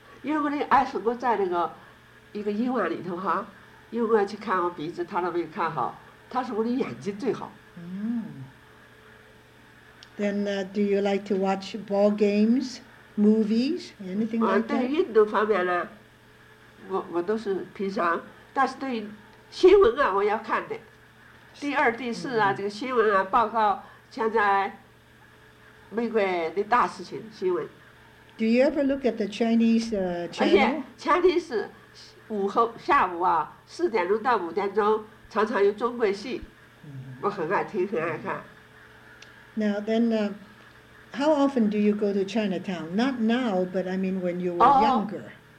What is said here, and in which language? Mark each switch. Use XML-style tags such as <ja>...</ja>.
<zh>因为我的eyes我在那个一个医院里头哈, 因为我要去看我鼻子, 他都没有看好, 他说我的眼睛最好。</zh> <en>Then do you like to watch ball games, movies, anything like that?</en> <zh>对运动方面呢，我都是平常，但是对新闻啊，我要看的。第二、第四啊，这个新闻啊，报告现在美国的大事情新闻。</zh> <en>Do you ever look at the Chinese channel?</en> <zh>而且Chinese午后下午啊，4点钟到5点钟，常常有中国戏，我很爱听，很爱看。</zh> <en>Now then, how often do you go to Chinatown? Not now, but I mean when you were younger.</en>